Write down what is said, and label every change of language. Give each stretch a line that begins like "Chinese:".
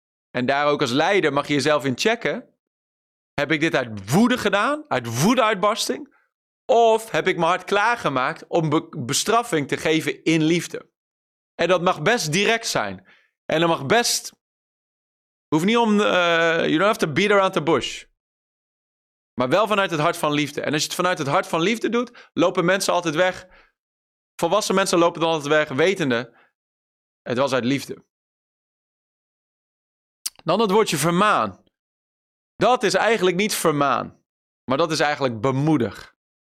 Dutch: En daar ook als leider mag je jezelf in checken. Heb ik dit uit woede gedaan? Uit woedeuitbarsting? Of heb ik mijn hart klaargemaakt om bestraffing te geven in liefde? En dat mag best direct zijn. En dat mag best. Hoeft niet om.
English: You don't have to beat around the bush.
Dutch: Maar wel vanuit het hart van liefde. En als je het vanuit het hart van liefde doet, lopen mensen altijd weg. Volwassen mensen lopen dan altijd weg, wetende. Het was uit liefde. Dan het woordje vermaan. Dat is eigenlijk niet vermaan, maar dat is eigenlijk bemoedig.